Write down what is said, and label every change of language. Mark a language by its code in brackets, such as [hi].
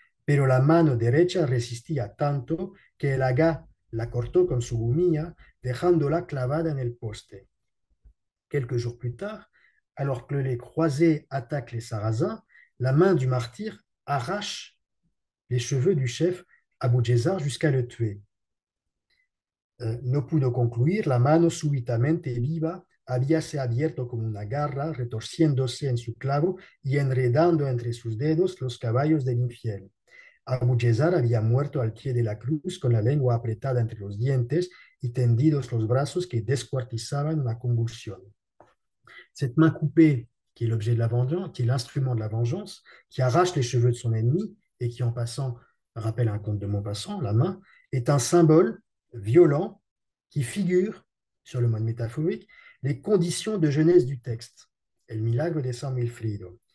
[es] Pero la mano derecha resistía tanto que el aga la cortó con su humilla, dejándola clavada en el poste. [fr] Quelques jours plus tard, alors que les croisés attaquent les Sarrasins, la main du martyr arrache les cheveux du chef Abou Djezzar jusqu'à le tuer. [es] No pudo concluir, la mano súbitamente viva habíase abierto como una garra, retorciéndose en su clavo y enredando entre sus dedos los caballos del infierno. Abu Yazar había muerto al pie de la cruz con la lengua apretada entre los dientes y tendidos los brazos que descuartizaban la convulsión. [fr] Cette main coupée, qui est l'objet de la vengeance, qui est l'instrument de la vengeance, qui arrache les cheveux de son ennemi et qui, en passant, rappelle un conte de Maupassant, la main, est un symbole violent qui figure, sur le mode métaphorique, les conditions de genèse du texte, El Milagro de San Wilfrido.